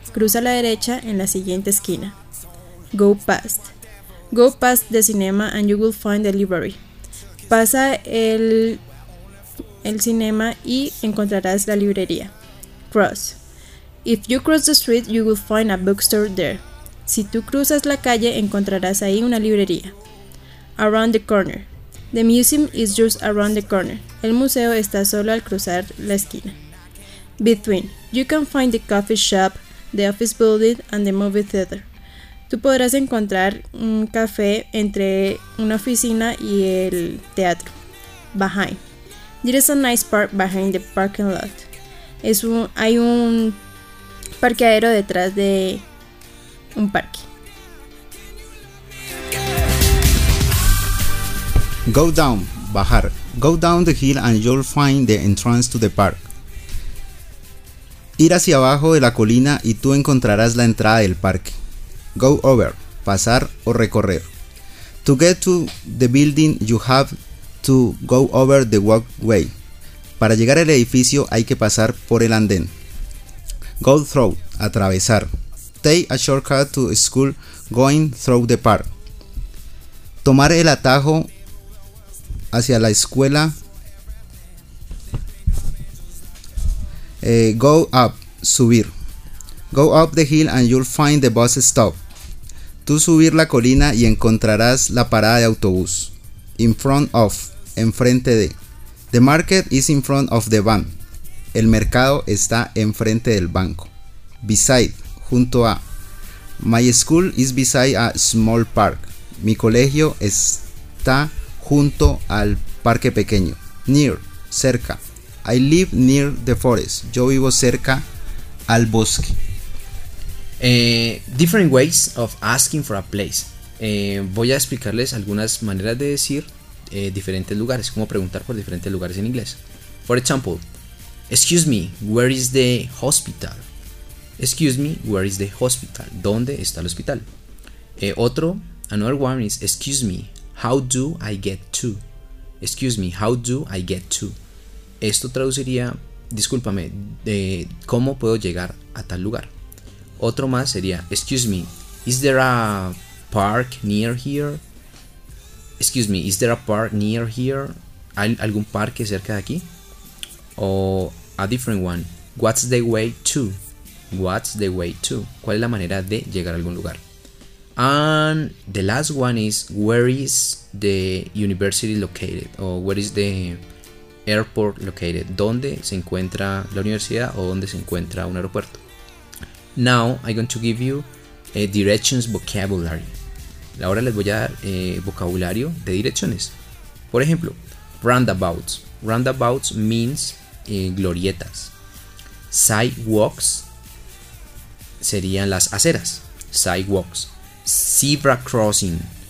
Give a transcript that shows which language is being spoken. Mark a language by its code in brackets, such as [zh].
[es] Cruza a la derecha en la siguiente esquina. [en] Go past. Go past the cinema and you will find delivery. [es] Pasa el cinema y encontrarás la librería. [en] Cross. If you cross the street, you will find a bookstore there. [es] Si tú cruzas la calle, encontrarás ahí una librería. [en] Around the corner. The museum is just around the corner. [es] El museo está solo al cruzar la esquina. [en] Between, you can find the coffee shop, the office building and the movie theater. [es] Tú podrás encontrar un café entre una oficina y el teatro. [en] Behind, there is a nice park behind the parking lot. [es] Hay un parqueadero detrás de un parque. [en] Go down, bajar. Go down the hill and you'll find the entrance to the park. [es] Ir hacia abajo de la colina y tú encontrarás la entrada del parque. Go over, pasar o recorrer. [en] To get to the building, you have to go over the walkway. [es] Para llegar al edificio hay que pasar por el andén. [en] Go through, atravesar. Take a shortcut to school going through the park. [es] Tomar el atajo hacia la escuela. [en] Go up, subir. Go up the hill and you'll find the bus stop. [es] Tú subir la colina y encontrarás la parada de autobús. [en] In front of, enfrente de. The market is in front of the bank. [es] El mercado está enfrente del banco. Beside, junto a. [en] My school is beside a small park. [es] Mi colegio está junto al parque pequeño. [en] Near, cerca. I live near the forest. [es] Yo vivo cerca al bosque. [en] Different ways of asking for a place. [es] Voy a explicarles algunas maneras de decir diferentes lugares, como preguntar por diferentes lugares en inglés. [en] For example, excuse me, where is the hospital? Excuse me, where is the hospital? [es] ¿Dónde está el hospital? [en] Otro, another one is, excuse me, how do I get to? Excuse me, how do I get to? [es] Esto traduciría, discúlpame, ¿cómo puedo llegar a tal lugar? Otro más sería, [en] excuse me, is there a park near here? Excuse me, is there a park near here? [es] ¿Hay algún parque cerca de aquí? [en] O a different one, what's the way to? What's the way to? [es] ¿Cuál es la manera de llegar a algún lugar? [en] And the last one is, where is the university located? O where is the airport located? [es] ¿Dónde se encuentra la universidad o dónde se encuentra un aeropuerto? [en] Now I'm going to give you a directions vocabulary. [es] Ahora les voy a dar vocabulario de direcciones. Por ejemplo, roundabouts. Roundabouts means glorietas. Sidewalks serían las aceras. Sidewalks. [en] Zebra crossing.